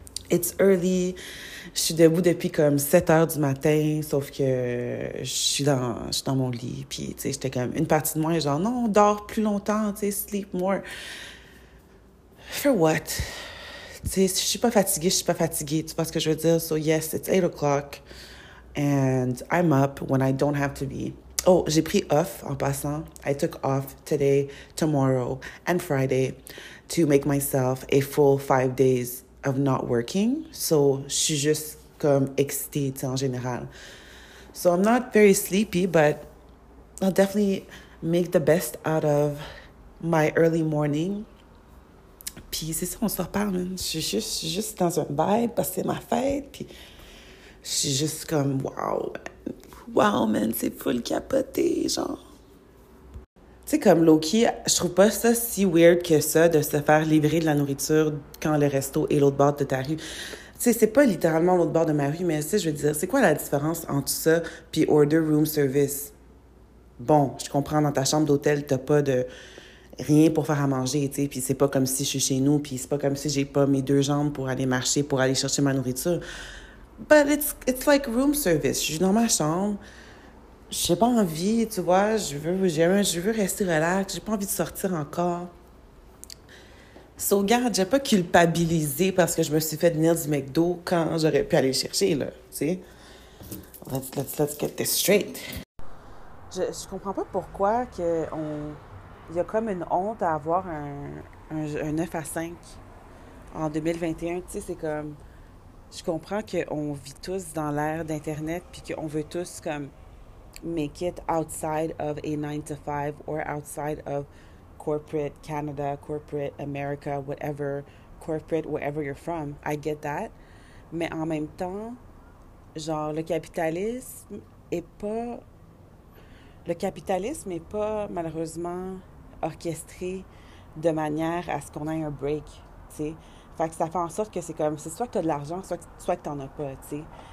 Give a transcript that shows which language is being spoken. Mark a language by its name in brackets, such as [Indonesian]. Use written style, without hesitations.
[English] It's early. [French] Je suis debout depuis comme 7 heures du matin, sauf que je suis dans mon lit. Puis, tu sais, j'étais comme une partie de moi, genre, non, on dort plus longtemps, tu sais, [English] sleep more. For what? [French] Tu sais, si je suis pas fatiguée, je suis pas fatiguée. Tu vois ce que je veux dire? [English] So, yes, it's 8 o'clock. And I'm up when I don't have to be. [French] Oh, j'ai pris off en passant. [English] I took off today, tomorrow, and Friday to make myself a full 5 days of not working, so [French] je suis juste comme excitée, tu sais, en général. [English] So I'm not very sleepy, but I'll definitely make the best out of my early morning. [French] Puis c'est ça, on se reparle. Je suis juste dans un vibe parce que c'est ma fête. Puis je suis juste comme [English] wow, man, [French] c'est full capoté, genre. Tu sais, comme low-key, je trouve pas ça si weird que ça de se faire livrer de la nourriture quand le resto est l'autre bord de ta rue. Tu sais, c'est pas littéralement l'autre bord de ma rue, mais tu sais, je veux dire, c'est quoi la différence entre ça puis [English] order room service? [French] Bon, je comprends, dans ta chambre d'hôtel, t'as pas de rien pour faire à manger, tu sais, puis c'est pas comme si je suis chez nous, puis c'est pas comme si j'ai pas mes deux jambes pour aller marcher, pour aller chercher ma nourriture. [English] But it's like room service. [French] Je suis dans ma chambre. J'ai pas envie, tu vois, je veux rester relax, j'ai pas envie de sortir encore. So, regarde, j'ai pas culpabilisé parce que je me suis fait venir du McDo quand j'aurais pu aller chercher, là, tu sais. [English] Let's get this straight. [French] Je comprends pas pourquoi il y a comme une honte à avoir un 9 à 5 en 2021, tu sais, c'est comme... Je comprends qu'on vit tous dans l'ère d'Internet puis qu'on veut tous, comme... [English] make it outside of a 9-to-5 or outside of corporate Canada, corporate America, whatever, corporate, wherever you're from. I get that. [French] Mais en même temps, genre, le capitalisme est pas, malheureusement, orchestré de manière à ce qu'on ait un break, tu sais. Fait que ça fait en sorte que c'est comme, c'est soit que t'as de l'argent, soit que t'en as pas, tu sais.